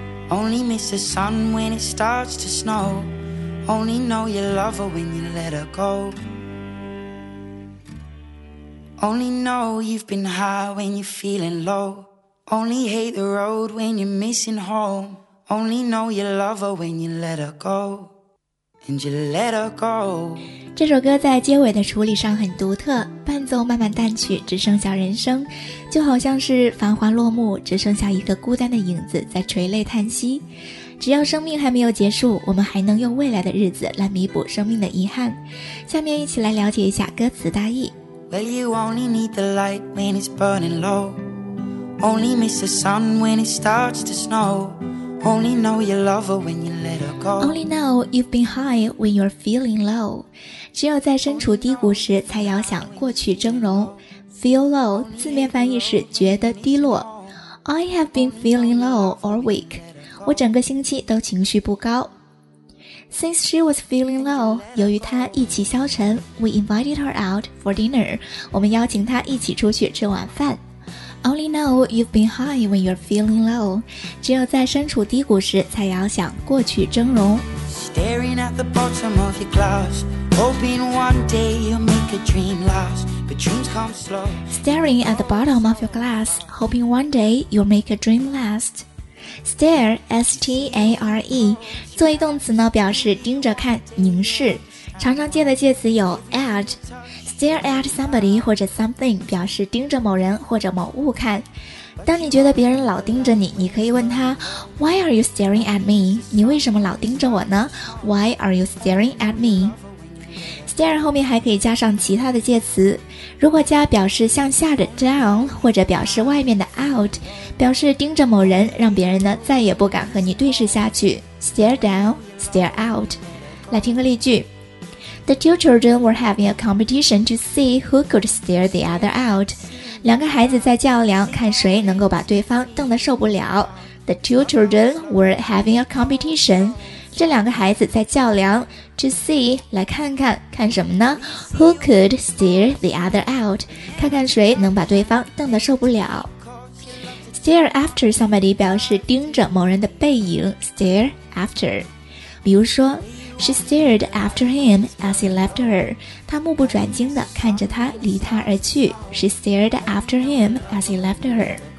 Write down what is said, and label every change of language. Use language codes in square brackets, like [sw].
[en] Only miss the sun when it starts to snow. Only know you love her when you let her go. Only know you've been high when you're feeling low. Only hate the road when you're missing home. Only know you love her when you let her go. And you let her go. [zh] 这首歌在结尾的处理上很独特，伴奏慢慢淡去，只剩下人声，就好像是繁华落幕，只剩下一个孤单的影子在垂泪叹息。只要生命还没有结束，我们还能用未来的日子来弥补生命的遗憾。下面一起来了解一下歌词大意。 [en] Well, you only need the light when it's burning low. Only miss the sun when it starts to snow. Only know you love her when you let her go. Only know you've been high when you're feeling low. [zh] 只有在身处低谷时才遥想过去峥嵘。 Feel low 字面翻译是觉得低落。 [en] I have been feeling low or weak. [zh] 我整个星期都情绪不高。 [en] Since she was feeling low, [zh] 由于她意气消沉 [en] we invited her out for dinner. [zh] 我们邀请她一起出去吃晚饭。 [en] Only know you've been high when you're feeling low. [zh] 只有在身处低谷时才遥想过去峥嵘。 [en] Staring at the bottom of your glass, hoping one day you'll make a dream last. Staring at the bottom of your glass, hoping one day you'll make a dream last. [zh] Stare, S-T-A-R-E, 做一动词呢表示盯着看凝视。常常见的介词有 at, stare at somebody 或者 something 表示盯着某人或者某物看。当你觉得别人老盯着你，你可以问他 [en] Why are you staring at me? [zh] 你为什么老盯着我呢？ [en] Why are you staring at me? [zh] Stare 后面还可以加上其他的介词，如果加表示向下的 down 或者表示外面的 out， 表示盯着某人，让别人呢再也不敢和你对视下去。 [en] Stare down, stare out。 [zh] 来听个例句 [en] ：The two children were having a competition to see who could stare the other out。 [zh] 两个孩子在较量，看谁能够把对方瞪得受不了。 [en] The two children were having a competition。 [zh] 这两个孩子在较量 [en] to see [zh] 来看看看什么呢 [en] who could stare the other out [zh] 看看谁能把对方瞪得受不了 [en] stare after somebody [zh] 表示盯着某人的背影 [en] stare after [zh] 比如说 [en] she stared after him as he left her [zh] 她目不转睛地看着他离他而去 [en] she stared after him as he left her